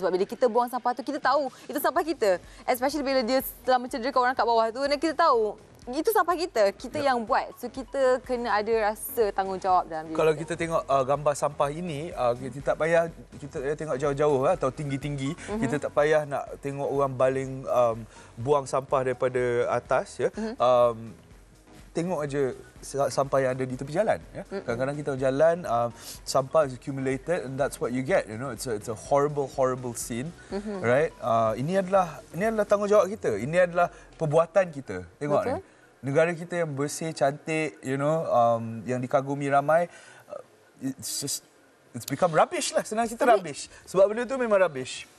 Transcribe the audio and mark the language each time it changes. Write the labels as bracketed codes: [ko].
[ms] Sebab bila kita buang sampah tu, kita tahu itu sampah kita. Especially bila dia telah mencederakan orang kat bawah tu, dan kita tahu itu sampah kita yang buat. So kita kena ada rasa tanggungjawab dalam diri. Kalau kita tengok gambar sampah ini, kita tak payah tengok jauh-jauh atau tinggi-tinggi. Mm-hmm. Kita tak payah nak tengok orang baling buang sampah daripada atas ya. Mm-hmm. Tengok aja sampah yang ada di tepi jalan ya. Mm-hmm. Kadang-kadang kita jalan sampah [en] is accumulated and that's what you get, you know. It's a horrible scene. Mm-hmm. Right? [ms] Ini adalah tanggungjawab kita. Ini adalah perbuatan kita. Tengok ni. Negara kita yang bersih, cantik, you know, yang dikagumi ramai, [en] it's become rubbish [ms] lah. Senang cerita rubbish. Sebab benda tu memang rubbish.